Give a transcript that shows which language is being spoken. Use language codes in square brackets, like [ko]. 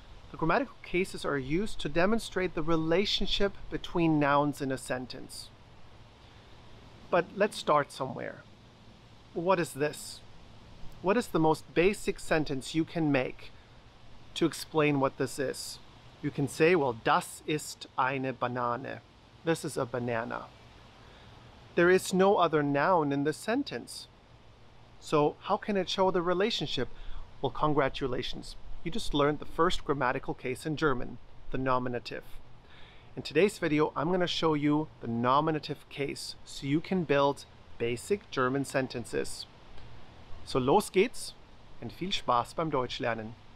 [en] The grammatical cases are used to demonstrate the relationship between nouns in a sentence. But let's start somewhere. What is this? What is the most basic sentence you can make to explain what this is? You can say, well, [de] das ist eine Banane. [en] This is a banana. There is no other noun in the sentence. So how can it show the relationship? Well, congratulations. You just learned the first grammatical case in German, the nominative. In today's video, I'm going to show you the nominative case so you can build basic German sentences. [de] So los geht's and viel Spaß beim Deutschlernen.